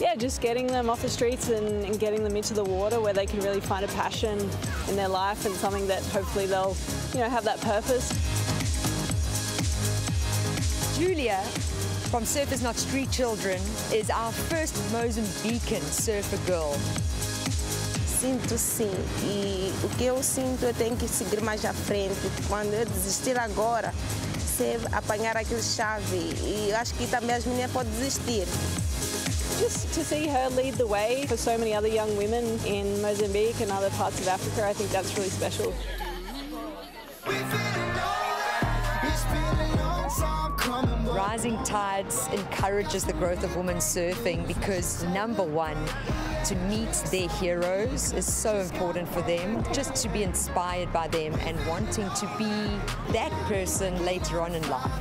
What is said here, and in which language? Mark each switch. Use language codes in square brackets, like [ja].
[en] Yeah, just getting them off the streets and getting them into the water where they can really find a passion in their life and something that hopefully they'll, you know, have that purpose. Julia from Surfers Not Street Children is our first Mozambican surfer girl. [pt] Sinto sim, e o que eu sinto, eu tenho que seguir mais à frente. Quando eu desistir agora, se apanhar aquele chave, e acho que também as meninas podem desistir. [en] Just to see her lead the way for so many other young women in Mozambique and other parts of Africa, I think that's really special. Rising Tides encourages the growth of women surfing because, number one, to meet their heroes is so important for them, just to be inspired by them and wanting to be that person later on in life.